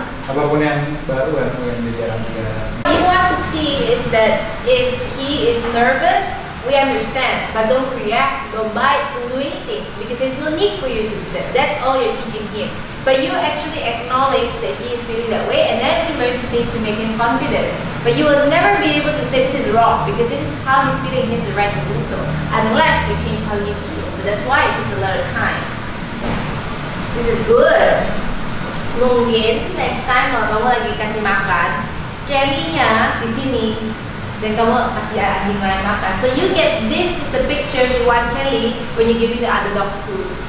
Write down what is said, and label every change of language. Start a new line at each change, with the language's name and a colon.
Indonesian: Apapun yang baru kan, yang dijalankan.
English: What you want to see is that if he is nervous, we understand. But don't react, don't bite, don't do anything. Because there's no need for you to do that. That's all you're teaching him. But you actually acknowledge that he is feeling that way, and then you learn to things to make him confident. But you will never be able to say this is wrong, because this is how he's feeling, he has the right to do so, unless you change how you feel. So that's why it takes a lot of time. This is good.
Indonesian: Mungkin next time kalau kamu lagi kasih makan, Kelly-nya di sini, dan kamu kasih anjing lain makan.
English: So you get, this is the picture you want Kelly when you give the other dog's food.